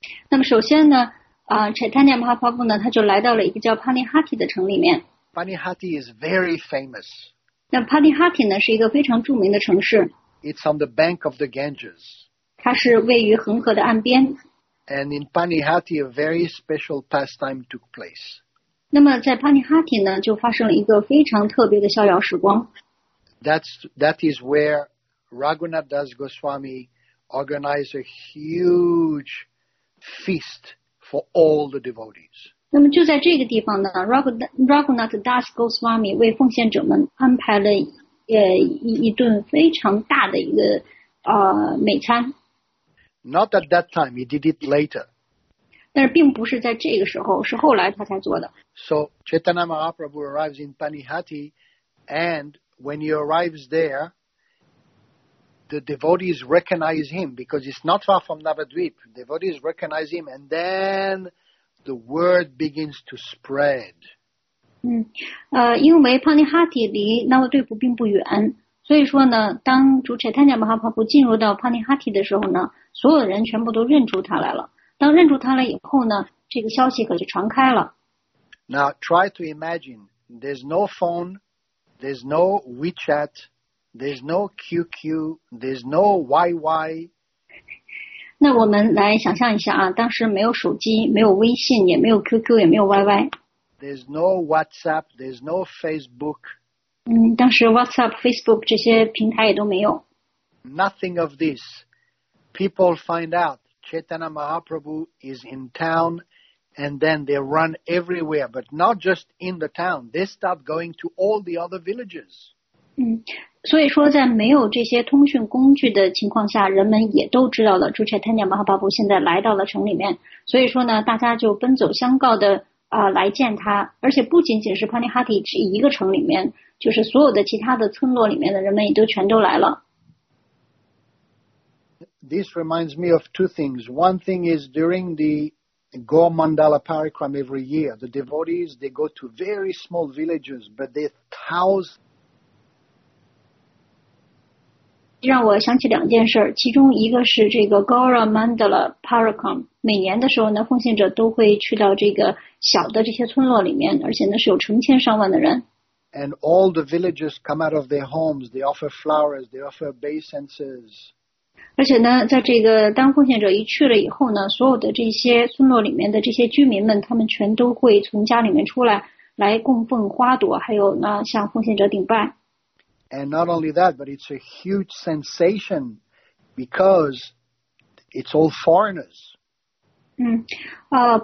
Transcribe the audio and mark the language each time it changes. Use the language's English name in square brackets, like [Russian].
[Chinese] 那么首先呢Chaitanya Mahaprabhu 呢他就来到了一个叫 Panihati 的城里面。 [English] Panihati is very famous. [Chinese] 那 Panihati 呢是一个非常著名的城市。 [English] It's on the bank of the Ganges. [Chinese] 它是位于恒河的岸边。 [English] And in Panihati, a very special pastime took place. [Chinese] 那么在 Panihati 呢，就发生了一个非常特别的逍遥时光。 [English] That is where Raghunath Das Goswami organized a huge feast for all the devotees. [Chinese] 那么就在这个地方呢 ，Raghunath Das Goswami 为奉献者们安排了一顿非常大的一个美餐。 [English] Not at that time, he did it later. [Chinese] 但是并不是在这个时候，是后来他才做的。 [English] So, Chaitanya Mahaprabhu arrives in Panihati, and when he arrives there, the devotees recognize him, because it's not far from Navadvip. Devotees recognize him, and then the word begins to spread. [Chinese] 因为 Panihati 离 Navadvip 并不远，所以说呢，当主 Chaitanya Mahaprabhu 进入到 Panihati 的时候呢，所有人全部都认出他来了。当认出他来以后呢，这个消息可就传开了。 [English] Now try to imagine, there's no phone, there's no WeChat, there's no QQ, there's no YY. [Chinese] 那我们来想象一下啊，当时没有手机，没有微信，也没有 QQ, 也没有 YY. [English] There's no WhatsApp, there's no Facebook. [Chinese] 当时 WhatsApp, Facebook 这些平台也都没有。 [English] Nothing of this. People find out Chaitanya Mahaprabhu is in town and then they run everywhere, but not just in the town. They start going to all the other villages. [Chinese] 所以说在没有这些通讯工具的情况下，人们也都知道了主 Chaitanya Mahaprabhu 现在来到了城里面。所以说呢，大家就奔走相告的来见他，而且不仅仅是 Panihati 一个城里面，就是所有的其他的村落里面的人们也都全都来了。 [English] This reminds me of two things. One thing is during the Gaur Mandala Parikram every year, the devotees, they go to very small villages, but they house. [Chinese] 让我想起两件事，其中一个是这个 Gaur Mandala Parikram, 每年的时候呢，奉献者都会去到这个小的这些村落里面，而且呢是有成千上万的人。 [English] And all the villagers come out of their homes, they offer flowers, they offer obeisances. [Chinese] 而且呢，在这个当奉献者一去了以后呢，所有的这些村落里面的这些居民们，他们全都会从家里面出来，来供奉花朵，还有呢，向奉献者顶拜。 [English] And not only that, but it's a huge sensation because it's all foreigners.